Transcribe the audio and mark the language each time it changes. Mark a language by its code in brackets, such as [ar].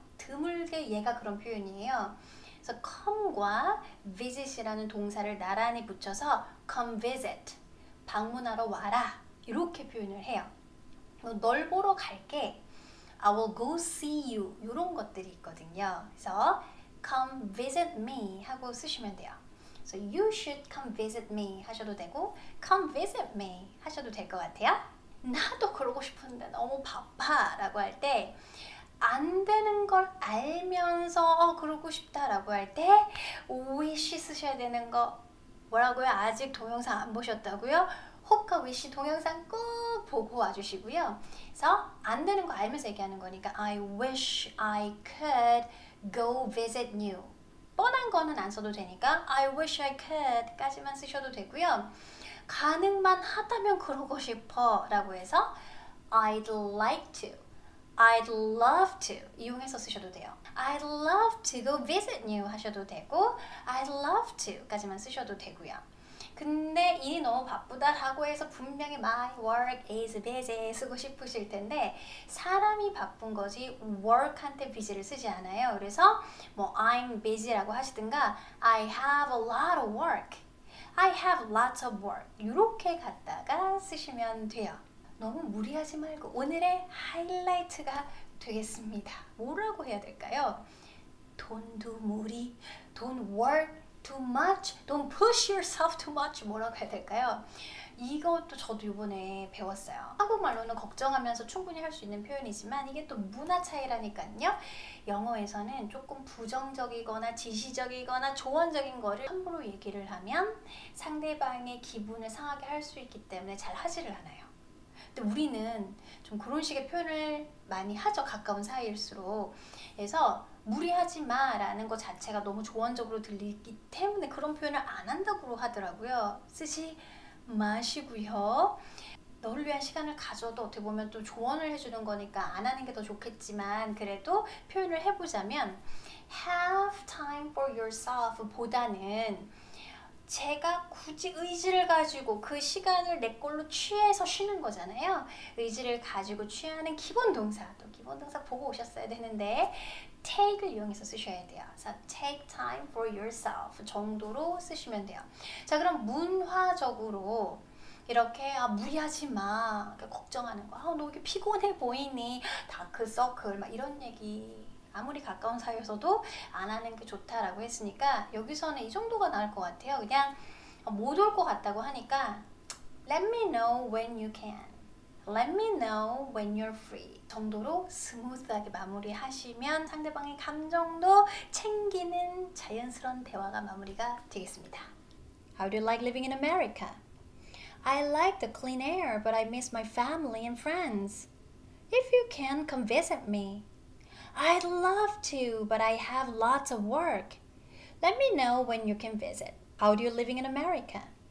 [ko] 드물게 얘가 그런 표현이에요. 그래서 come과 visit이라는 동사를 나란히 붙여서 come visit, 방문하러 와라 이렇게 표현을 해요. 널 보러 갈게, [en] I will go see you [ko] 이런 것들이 있거든요. 그래서 [en] Come visit me [ko] 하고 쓰시면 돼요. [en] So you should come visit me [ko] 하셔도 되고 [en] Come visit me [ko] 하셔도 될 것 같아요. 나도 그러고 싶은데 너무 바빠 라고 할 때 안 되는 걸 알면서 그러고 싶다 라고 할 때 wish 쓰셔야 되는 거 뭐라고요? 아직 동영상 안 보셨다고요? 혹과 wish 동영상 꼭 보고 와주시고요. 그래서 안 되는 거 알면서 얘기하는 거니까 [en] I wish I could Go visit you. [ko] 뻔한 거는 안 써도 되니까 [en] I wish I could [ko] 까지만 쓰셔도 되고요. 가능만 하다면 그러고 싶어 라고 해서 [en] I'd like to, I'd love to [ko] 이용해서 쓰셔도 돼요. [en] I'd love to go visit you [ko] 하셔도 되고 [en] I'd love to [ko] 까지만 쓰셔도 되고요. 근데 일이 너무 바쁘다라고 해서 분명히 [en] my work is busy [ko] 쓰고 싶으실 텐데 사람이 바쁜 거지 work한테 busy를 쓰지 않아요. 그래서 뭐 [en] I'm busy라고 [ko] 하시든가 [en] I have a lot of work. I have lots of work. [ko] 이렇게 갖다가 쓰시면 돼요. 너무 무리하지 말고 오늘의 하이라이트가 되겠습니다. 뭐라고 해야 될까요? [en] Don't do 무리, don't work too much, don't push yourself too much [ko] 뭐라고 해야 될까요? 이것도 저도 이번에 배웠어요. 한국말로는 걱정하면서 충분히 할 수 있는 표현이지만 이게 또 문화 차이라니까요. 영어에서는 조금 부정적이거나 지시적이거나 조언적인 거를 함부로 얘기를 하면 상대방의 기분을 상하게 할 수 있기 때문에 잘 하지를 않아요. 근데 우리는 좀 그런 식의 표현을 많이 하죠. 가까운 사이일수록. 그래서 무리하지 마 라는 것 자체가 너무 조언적으로 들리기 때문에 그런 표현을 안 한다고 하더라고요. 쓰지 마시고요. 너를 위한 시간을 가져도 어떻게 보면 또 조언을 해주는 거니까 안 하는 게 더 좋겠지만 그래도 표현을 해보자면 [en] Have time for yourself [ko] 보다는 제가 굳이 의지를 가지고 그 시간을 내 걸로 취해서 쉬는 거잖아요. 의지를 가지고 취하는 기본 동사, 또 기본 동사 보고 오셨어야 되는데 take을 이용해서 쓰셔야 돼요. [en] So take time for yourself [ko] 정도로 쓰시면 돼요. 자, 그럼 문화적으로 이렇게 아 무리하지 마, 이렇게 걱정하는 거, 아 너 이렇게 피곤해 보이니, 다크서클 막 이런 얘기 아무리 가까운 사이여서도 안 하는 게 좋다라고 했으니까 여기서는 이 정도가 나을 것 같아요. 그냥 못 올 것 같다고 하니까 [en] Let me know when you can. Let me know when you're free. [ko] 정도로 스무스하게 마무리하시면 상대방의 감정도 챙기는 자연스러운 대화가 마무리가 되겠습니다. [en] How do you like living in America? I like the clean air, but I miss my family and friends. If you can, come visit me. I'd love to, but I have lots of work. Let me know when you can visit. How are you living in America?